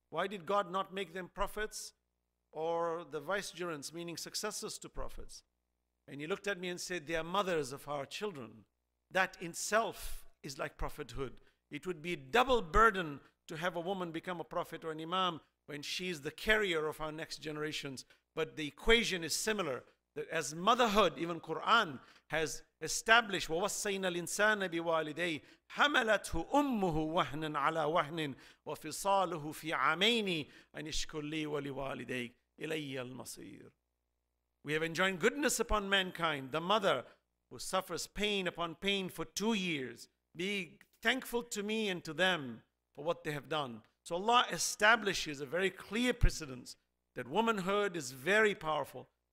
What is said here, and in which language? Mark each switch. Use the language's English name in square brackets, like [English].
[English] Why did God not make them prophets or the vicegerents, meaning successors to prophets? And he looked at me and said, they are mothers of our children. That itself is like prophethood. It would be a double burden to have a woman become a prophet or an imam when she is the carrier of our next generations. But the equation is similar. That as motherhood, even Quran has established, [Arabic] وَوَصَّيْنَا الْإِنسَانَ بِوَالِدَيْهِ حَمَلَتْهُ أُمُّهُ وَهْنًا عَلَىٰ وَهْنٍ وَفِصَالُهُ فِي عَمَيْنِ أَنِ اشْكُرْ لِي وَلِوَالِدَيْكَ إِلَيَّ الْمَصِيرُ. [English] We have enjoined goodness upon mankind. The mother who suffers pain upon pain for 2 years, be thankful to me and to them for what they have done. So Allah establishes a very clear precedence that womanhood is very powerful.